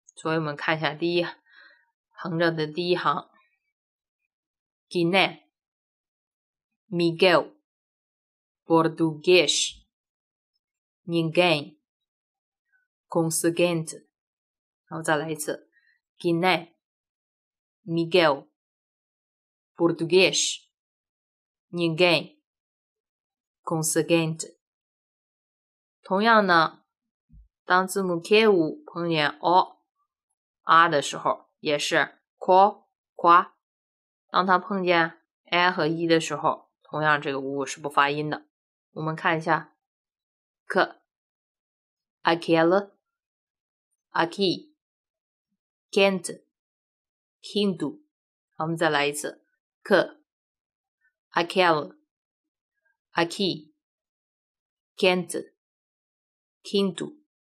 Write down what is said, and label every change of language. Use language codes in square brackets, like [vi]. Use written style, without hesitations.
[zh] 所以我们看一下第一横着的第一行 ， [pt] Guiné Miguel Portugués Ninguém Consciente。 [zh] 然后再来一次 ，Guiné。 [pt] Miguel, português, ninguém, conseguente。 [zh] 同样呢，当字母 K5 碰见 O、A 的时候，也是 qua, qua。当它碰见 I 和 E 的时候，同样这个 U 是不发音的。我们看一下 K, [pt] aquele, aqui, quente, quinto。 [zh] 好，我们再来一次 ，k， [pt] aquel， aqui， quente， quinto。